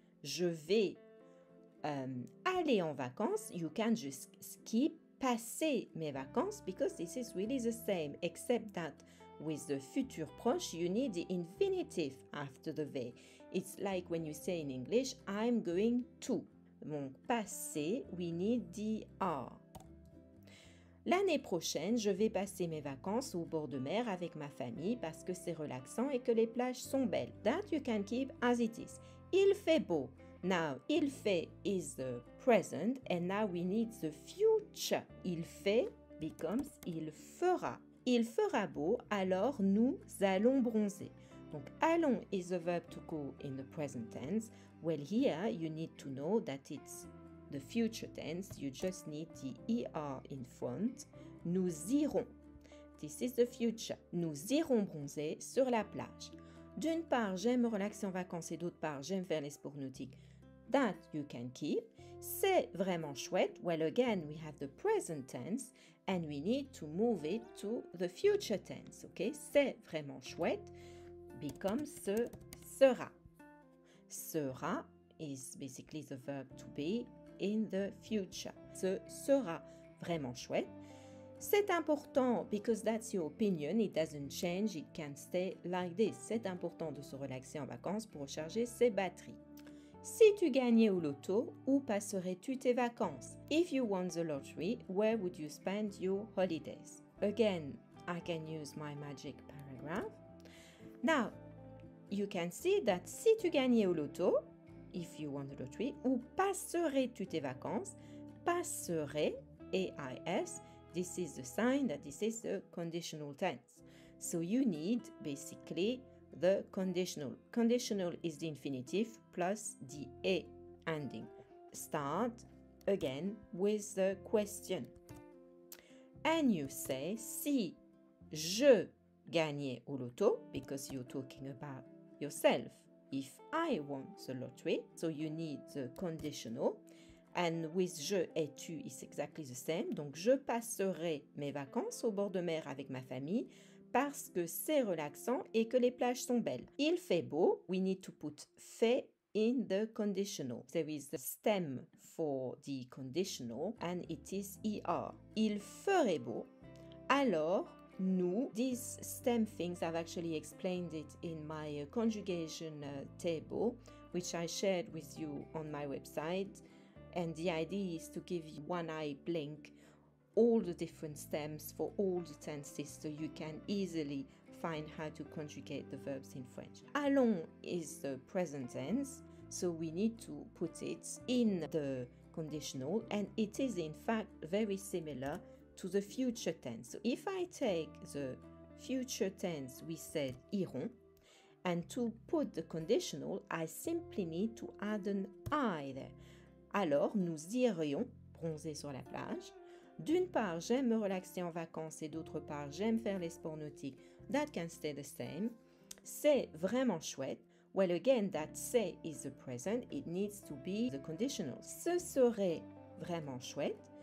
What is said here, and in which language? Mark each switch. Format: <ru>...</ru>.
<fr>Je vais aller en vacances,</fr> <en>you can just skip</en> <fr>passer mes vacances</fr> <en>because this is really the same except that with the futur proche you need the infinitive after the V. It's like when you say in English I'm going to. Donc passer, we need the R.</en> <fr>L'année prochaine, je vais passer mes vacances au bord de mer avec ma famille parce que c'est relaxant et que les plages sont belles.</fr> <en>That you can keep as it is.</en> <fr>Il fait beau.</fr> <en>Now, il fait is the present and now we need the future.</en> <fr>Il fait becomes il fera. Il fera beau, alors nous allons bronzer.</fr> <en>Donc, allons is a verb to go in the present tense. Well, here you need to know that it's the future tense. You just need the ER in front.</en> <fr>Nous irons.</fr> <en>This is the future.</en> <fr>Nous irons bronzer sur la plage. D'une part, j'aime me relaxer en vacances et d'autre part, j'aime faire les sports nautiques.</fr> <en>That you can keep.</en> <fr>C'est vraiment chouette.</fr> <en>Well, again, we have the present tense and we need to move it to the future tense. Okay?</en> <fr>C'est vraiment chouette. Become ce sera.</fr> <en>Sera is basically the verb to be in the future.</en> <fr>Ce sera vraiment chouette. C'est important</fr> <en>because that's your opinion. It doesn't change. It can stay like this.</en> <fr>C'est important de se relaxer en vacances pour recharger ses batteries. Si tu gagnais au loto, où passerais-tu tes vacances?</fr> <en>If you won the lottery, where would you spend your holidays? Again, I can use my magic paragraph. Now, you can see that</en> <fr>si tu gagnais au loto, if you won the lottery, où passerais-tu tes vacances?</fr> <en>Passerais, A-I-S, this is the sign that this is the conditional tense. So you need, basically, the conditional. Conditional is the infinitive plus the A ending. Start again with the question. And you say,</en> <fr>si je gagnais au loto,</fr> <en>because you're talking about yourself, if I won the lottery, so you need the conditional. And with je et tu, it's exactly the same.</en> <fr>Donc, je passerai mes vacances au bord de mer avec ma famille, parce que c'est relaxant et que les plages sont belles. Il fait beau.</fr> <en>We need to put fait in the conditional. There is the stem for the conditional and it is ER.</en> <fr>Il ferait beau. Alors, nous,</fr> <en>these stem things, I've actually explained it in my conjugation table, which I shared with you on my website. And the idea is to give you one eye blink all the different stems for all the tenses so you can easily find how to conjugate the verbs in French. Allons is the present tense, so we need to put it in the conditional and it is in fact very similar to the future tense. So if I take the future tense, we said iront, and to put the conditional, I simply need to add an I there.</en> <fr>Alors, nous irions bronzer sur la plage. D'une part, j'aime me relaxer en vacances et d'autre part, j'aime faire les sports nautiques.</fr> <en>That can stay the same.</en> <fr>C'est vraiment chouette.</fr> <en>Well, again, that c'est is the present. It needs to be the conditional.</en> <fr>Ce serait vraiment chouette.</fr>